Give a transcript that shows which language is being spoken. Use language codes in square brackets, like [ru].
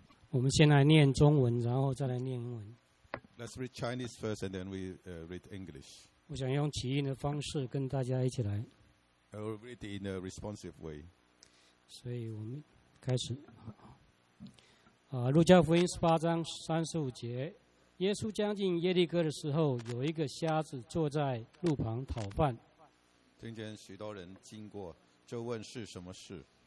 [zh] 我们先来念中文，然后再来念英文。 [en] Let's read Chinese first, and then we read English. [zh] 我想用起音的方式跟大家一起来。 [en] I will read in a responsive way. [zh] 所以我们开始。路加福音十八章三十五节，耶稣将近耶利哥的时候，有一个瞎子坐在路旁讨饭。听见许多人经过，就问是什么事。